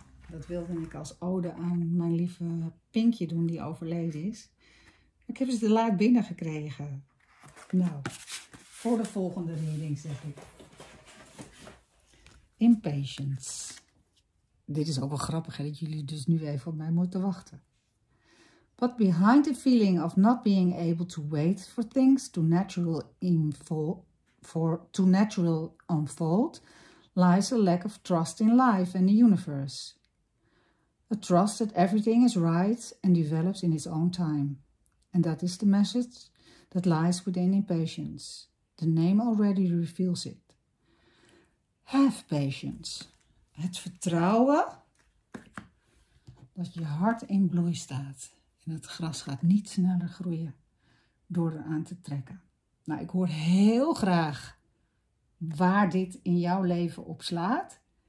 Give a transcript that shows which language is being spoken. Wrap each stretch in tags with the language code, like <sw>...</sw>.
<nl>Dat wilde ik als ode aan mijn lieve Pinkje doen die overleden is. Ik heb ze te laat binnengekregen. Nou, voor de volgende reading zeg ik. Impatience. Dit is ook wel grappig, hè? Dat jullie dus nu even op mij moeten wachten.</nl> <en>But behind the feeling of not being able to wait for things to natural evolve. For to natural unfold lies a lack of trust in life and the universe. A trust that everything is right and develops in its own time. And that is the message that lies within impatience. The name already reveals it. Have patience.</en> <nl>Het vertrouwen dat je hart in bloei staat. En het gras gaat niet sneller groeien door eraan te trekken. Nou, ik hoor heel graag waar dit in jouw leven op slaat.</nl>